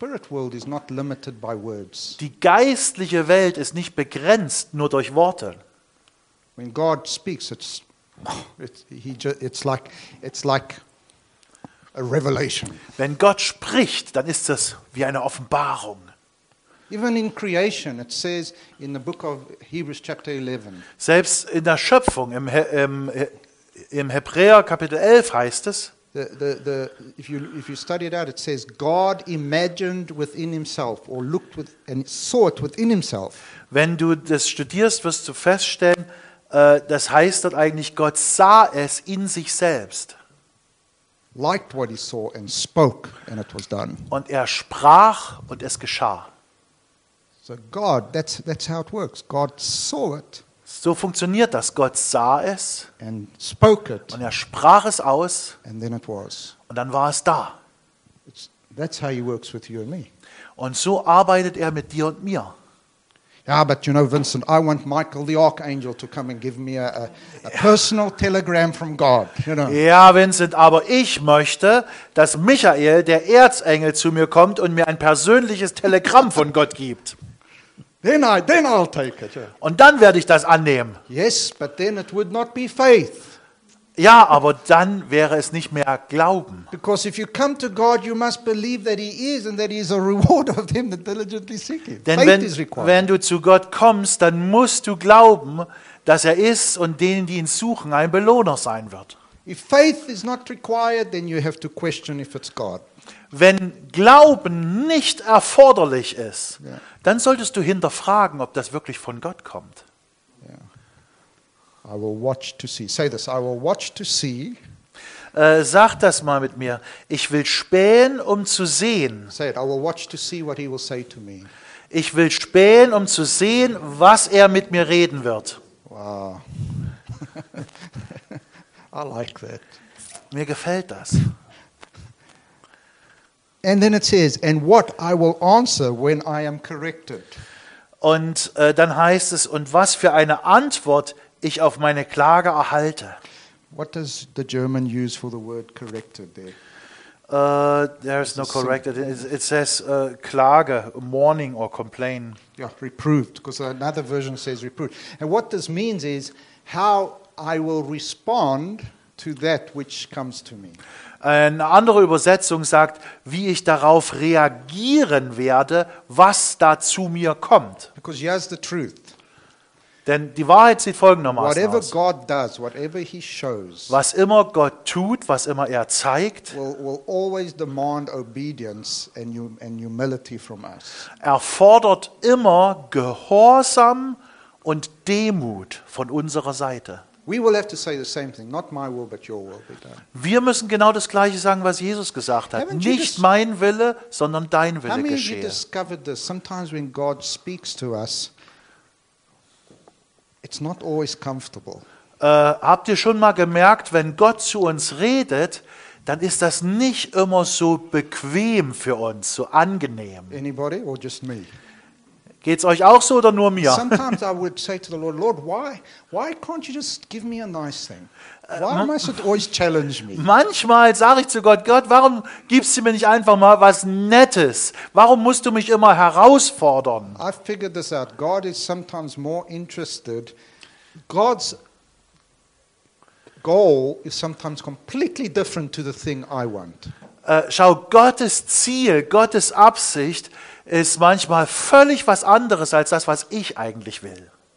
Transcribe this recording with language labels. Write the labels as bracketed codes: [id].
[de] Die geistliche Welt ist nicht begrenzt nur durch Worte. [en] When God speaks, it's like a revelation. [de] Wenn Gott spricht, dann ist das wie eine Offenbarung. [en] Even in creation, it says in the book of Hebrews chapter 11. [de] Selbst in der Schöpfung im Hebräer Kapitel 11 heißt es. [en] If you study it out, it says God imagined within himself or looked with and saw it within himself. [de] Wenn du das studierst, wirst du feststellen, das heißt dort eigentlich, Gott sah es in sich selbst. [en] Liked what he saw and spoke and it was done. [de] Und er sprach und es geschah. [en] So God, that's how it works. God saw it. [de] So funktioniert das. Gott sah es [en] and spoke it. [de] Und er sprach es aus [en] and then it was. [de] Und dann war es da. [en] That's how he works with you and me. [de] Und so arbeitet er mit dir und mir. [en] Yeah, but you know, Vincent, I want Michael the Archangel to come and give me a personal telegram from God. You know. [de] Ja, Vincent, aber ich möchte, dass Michael, der Erzengel, zu mir kommt und mir ein persönliches Telegramm von Gott gibt. [en] Then I'll take it. Yeah. [de] Und dann werde ich das annehmen. [en] Yes, but then it would not be faith. [de] Ja, aber dann wäre es nicht mehr Glauben. [en] Because if you come to God, you must believe that he is and that he is a rewarder of them that diligently seek him. [de] Denn wenn du zu Gott kommst, dann musst du glauben, dass er ist und denen, die ihn suchen, ein Belohner sein wird. [en] If faith is not required, then you have to question if it's God. [de] Wenn Glauben nicht erforderlich ist, yeah, dann solltest du hinterfragen, ob das wirklich von Gott kommt. [en] Yeah. I will watch to see. Say this, I will watch to see. [de] Sag das mal mit mir. Ich will spähen, um zu sehen. [en] Say it, I will watch to see what he will say to me. [de] Ich will spähen, um zu sehen, was er mit mir reden wird. [en] Wow. I like that. [de] Mir gefällt das. [en] And then it says, and what I will answer when I am corrected. [de] Und dann heißt es, und was für eine Antwort ich auf meine Klage erhalte. [en] What does the German use for the word corrected there? There is no corrected. It says Klage, mourning or complain. Yeah, reproved, because another version says reproved. And what this means is how I will respond to that which comes to me. [de] Eine andere Übersetzung sagt, wie ich darauf reagieren werde, was da zu mir kommt. [en] Because here's the truth. [de] Denn die Wahrheit sieht folgendermaßen [en] whatever [de] aus. [en] God does, whatever he shows, [de] was immer Gott tut, was immer er zeigt, [en] will always demand obedience and humility from us. [de] Erfordert immer Gehorsam und Demut von unserer Seite. [en] We will have to say the same thing, not my will but your will be done. [de] Wir müssen genau das gleiche sagen, was Jesus gesagt hat. Nicht mein Wille, sondern dein Wille geschehe. [en] How many of you discovered this? Sometimes when God speaks to us, it's not always comfortable. [de] Habt ihr schon mal gemerkt, wenn Gott zu uns redet, dann ist das nicht immer so bequem für uns, so angenehm. [en] Anybody or just me? [de] Geht's euch auch so oder nur mir? [en] Sometimes I would say to the Lord, Lord, why can't you just give me a nice thing? Why must it always challenge me? [de] Manchmal sage ich zu Gott, Gott, warum gibst du mir nicht einfach mal was Nettes? Warum musst du mich immer herausfordern? [en] I've figured this out. God is sometimes more interested. God's goal is sometimes completely different to the thing I want. [de] Schau, Gottes Ziel, Gottes Absicht ist manchmal völlig was anderes als das, was ich eigentlich will.